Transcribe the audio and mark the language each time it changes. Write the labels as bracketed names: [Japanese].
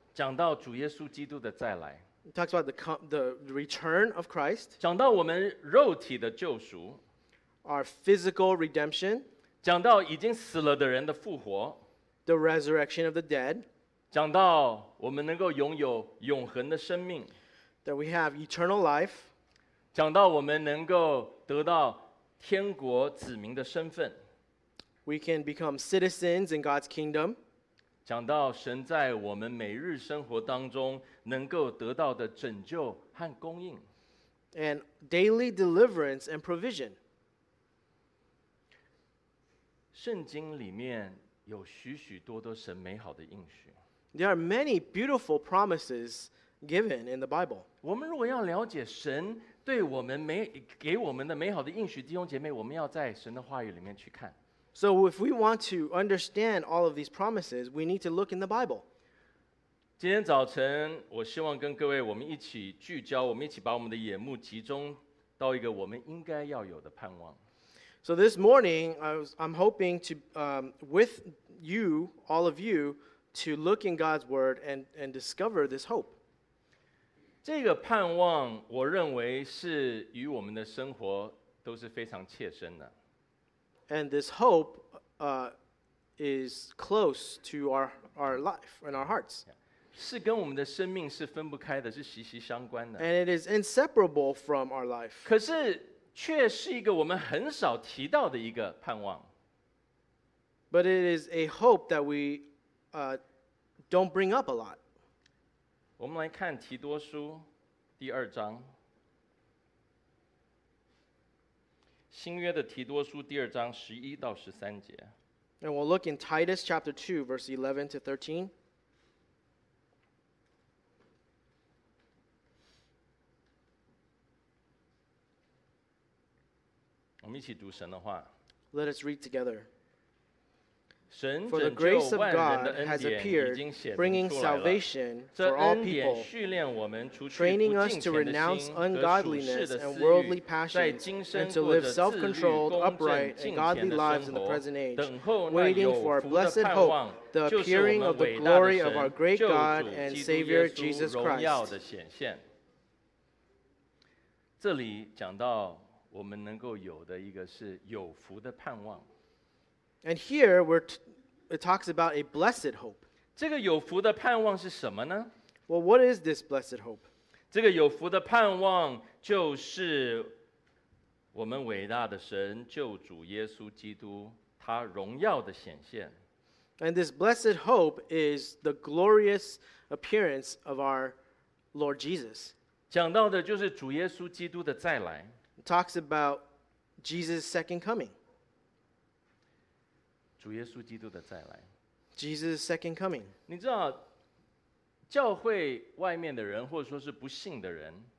[Chinese] 讲到主耶稣基督的再来。 [English] It talks about the return of Christ. [Chinese] 讲到我们肉体的救赎。 [English] Our physical redemption. [Chinese] 讲到已经死了的人的复活。 [English] The resurrection of the dead. [Chinese] 讲到我们能够拥有永恒的生命。 [English] That we have eternal life. [Chinese] 讲到我们能够得到天国子民的身份。 [English] We can become citizens in God's kingdom. [Chinese] 讲到神在我们每日生活当中能够得到的拯救和供应。 [English] And daily deliverance and provision. [Chinese] 圣经里面有许许多多神美好的应许。 [English] There are many beautiful promises given in the Bible. [Chinese] 我们如果要了解神对我们给我们的美好的应许，弟兄姐妹，我们要在神的话语里面去看。 [English] So if we want to understand all of these promises, we need to look in the Bible. [Chinese] 今天早晨，我希望跟各位，我们一起聚焦，我们一起把我们的眼目集中到一个我们应该要有的盼望。 [English] So this morning, I'm hoping to, with you, all of you, to look in God's Word and discover this hope. [Chinese] 这个盼望，我认为是与我们的生活都是非常切身的。 [English] And this hope is close to our life and our hearts. [Chinese] 是跟我们的生命是分不开的，是息息相关的。 [English] And it is inseparable from our life. [Chinese] 可是却是一个我们很少提到的一个盼望。 [English] But it is a hope that we don't bring up a lot. [Chinese] 我们来看提多书第二章。新约的提多书第二章十一到十三节。 [English] And we'll look in Titus chapter 2, verse 11 to 13. [Chinese] 我们一起读神的话。 [English] Let us read together. For the grace of God has appeared, bringing salvation for all people, training us to renounce ungodliness and worldly passions, and to live self-controlled, upright, and godly lives in the present age, waiting for our blessed hope, the appearing of the glory of our great God and Savior Jesus Christ. [Chinese] 这里讲到我们能够有的一个是有福的盼望。 [English] And here it talks about a blessed hope. [Chinese] 这个有福的盼望是什么呢? [English] Well, what is this blessed hope? [Chinese] 这个有福的盼望就是我们伟大的神救主耶稣基督他荣耀的显现。 [English] And this blessed hope is the glorious appearance of our Lord Jesus. [Chinese] 讲到的就是主耶稣基督的再来。 [English] It talks about Jesus' second coming. [Chinese] 主耶稣基督的再来 [English] Jesus' second coming. [Chinese] 你知道教会外面的人或者说是不信的人